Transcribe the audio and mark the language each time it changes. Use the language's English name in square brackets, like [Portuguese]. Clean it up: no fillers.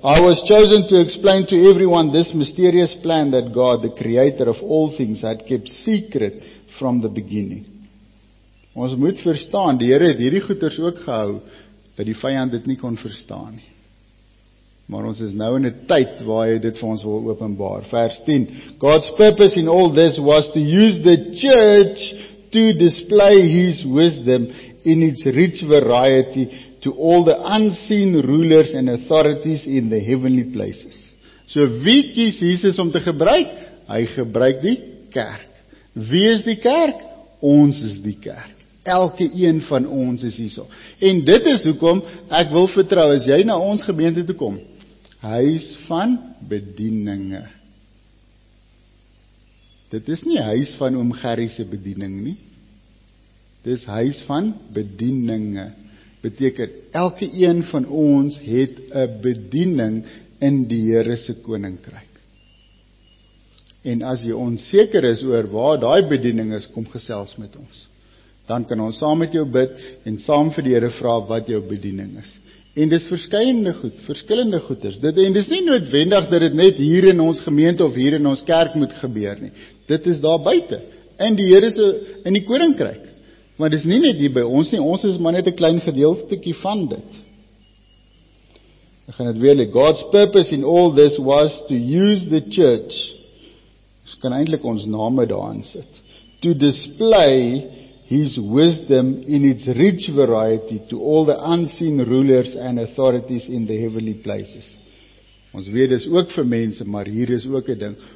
[English] I was chosen to explain to everyone this mysterious plan that God, the creator of all things, had kept secret from the beginning. [Afrikaans] Ons moet verstaan, die Here het hierdie goeders ook gehou, dat die vyand dit nie kon verstaan nie. Maar ons is nou in 'n tyd waar hy dit vir ons wil openbaar. Vers 10. [English] God's purpose in all this was to use the church to display his wisdom in its rich variety to all the unseen rulers and authorities in the heavenly places. [Afrikaans] So wie kies Jesus om te gebruik? Hy gebruik die kerk. Wie is die kerk? Ons is die kerk. Elke een van ons is hierso. En dit is hoekom ek wil vertrou, as jy na ons gemeente toe kom, huis van bedieninge. Dit is nie huis van oom Gerrie se bediening nie. Dis huis van bedieninge. Beteken, elke een van ons het 'n bediening in die Here se koninkryk. En as jy onseker is oor waar daai bediening is, kom gesels met ons. Dan kan ons saam met jou bid en saam vir die Here vra wat jou bediening is. En dis verskeidende goed, verskillende goeders. Dit en dis nie noodwendig dat dit net hier in ons gemeente of hier in ons kerk moet gebeur nie. Dit is daar buite, in die Here se in die koninkryk. Maar dis nie net hier by ons nie, ons is maar net 'n klein gedeeltjie van dit. Ek gaan dit weer lê. [English] God's purpose in all this was to use the church. [Afrikaans] Ons kan eintlik ons name daarin sit. [English] To display His wisdom in its rich variety to all the unseen rulers and authorities in the heavenly places. [Afrikaans] Ons weet dis ook vir mense, maar hier is ook 'n ding.